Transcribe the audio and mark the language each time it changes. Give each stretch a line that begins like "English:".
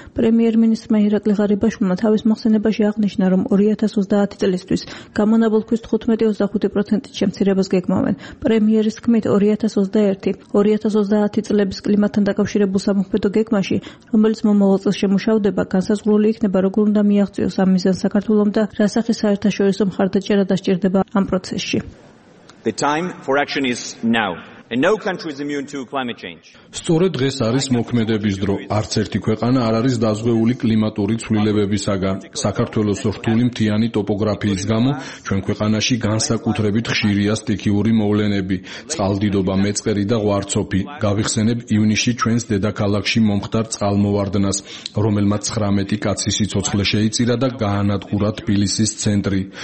Georgian: პრემიერ-მინისტრმა ირაკლი ღარიბაშვილმა თავის მოხსენებაში აღნიშნა, რომ 2030 წლისთვის გამონაბოლქვის 15-25% შემცირებას გეგმავენ. პრემიერის თქმით, 2021-2030 წლების კლიმატთან დაკავშირებულ სამოქმედო გეგმაში, რომელიც მომავალ წელს შემუშავდება, განსაზღვრული იქნება, როგორ უნდა მიაღწიოს ამ მიზანს საქართველომ და რა სახის საერთაშორისო მხარდაჭერა დასჭირდება ამ პროცესში.
English: The time for action is now. And no country is immune to climate change.
Georgian: Სწორედ დღეს არის მოქმედების დრო. არც ერთი ქვეყანა არ არის დაზღვეული კლიმატური ცვლილებებისაგან. საქართველოს რთული მთიანი ტოპოგრაფიის გამო ჩვენ ქვეყანაში განსაკუთრებით ხშირია სტიქიური მოვლენები, წყალდიდობა, მეწყერი და ღვარცოფი. გავიხსენებ ივნისში ჩვენს დედაქალაქში მომხდარ წყალმოვარდნას, რომელმაც 19 კაცი სიცოცხლე შეიწირა და გაანადგურა თბილისის ცენტრი.